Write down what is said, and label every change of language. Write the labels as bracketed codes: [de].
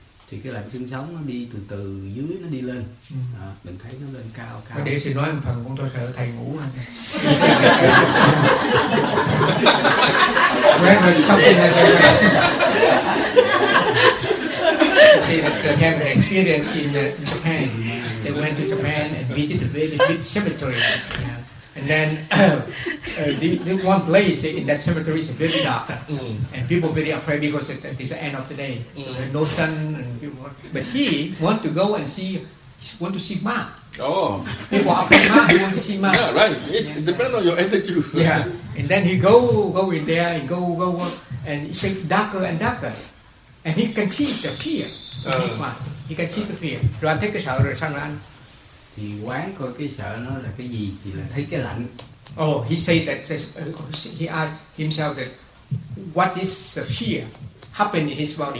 [vi] Thì cái lạnh xương sống nó đi từ từ dưới nó đi lên, mình thấy nó lên cao cao. Để thầy nói một phần, con tôi sợ thầy ngủ anh. Thì được nghe về [en] experience in Japan. They went to Japan and visited a very big cemetery. And then the one place in that cemetery is very dark, and people very afraid because it's the end of the day, no sun. And people, but he want to go and see, want to see ma. Oh, he want to see ma. He want to see ma. Yeah, right. It depends on your attitude. Yeah. And then he go in there and go and it's darker and darker, and he can see the fear. He can see the fear. [vi] Rồi anh thấy cái sợ rồi sao rồi anh? Thì quán coi cái sợ nó là cái gì thì là thấy cái lạnh. [en] Oh, he say that he asked himself that what is the fear happen in his body?